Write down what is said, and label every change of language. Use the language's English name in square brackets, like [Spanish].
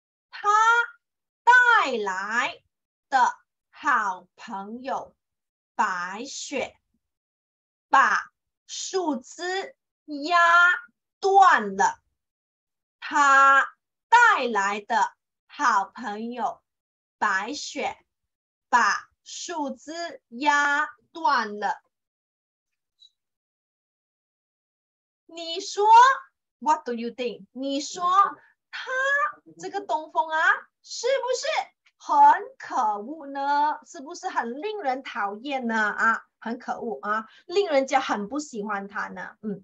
[Chinese] 他带来的好朋友白雪把树枝压断了，他带来的好朋友白雪把树枝压断了。你说 [English] What do you think？ [Chinese] 你说他这个东风啊，是不是很可恶呢？是不是很令人讨厌呢？啊，很可恶啊，令人家很不喜欢他呢。